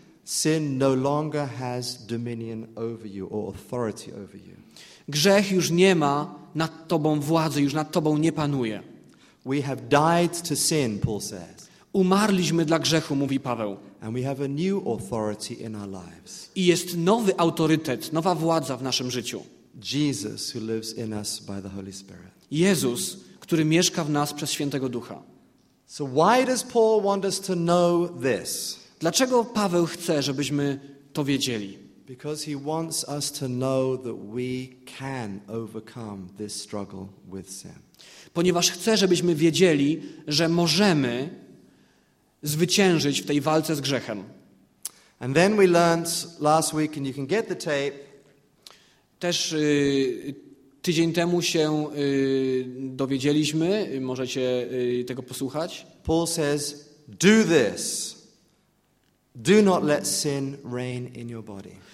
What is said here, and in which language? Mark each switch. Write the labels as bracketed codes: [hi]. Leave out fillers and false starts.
[en] Sin no longer has dominion over you or authority over you. [pl] Grzech już nie ma nad tobą władzy, już nad tobą nie panuje. [en] We have died to sin, Paul says. [pl] Umarliśmy dla grzechu, mówi Paweł. [en] And we have a new authority in our lives. [pl] I jest nowy autorytet, nowa władza w naszym życiu. [en] Jesus, who lives in us by the Holy Spirit. [pl] Jezus, który mieszka w nas przez Świętego Ducha. [en] So why does Paul want us to know this? [pl] Dlaczego Paweł chce, żebyśmy to wiedzieli? [en] Because he wants us to know that we can overcome this struggle with sin. [pl] Ponieważ chce, żebyśmy wiedzieli, że możemy zwyciężyć w tej walce z grzechem. [en] And then we learned last week, and you can get the tape. [pl] Też tydzień temu się dowiedzieliśmy, możecie tego posłuchać. [en] Paul says, do this. Do not let sin reign in your body.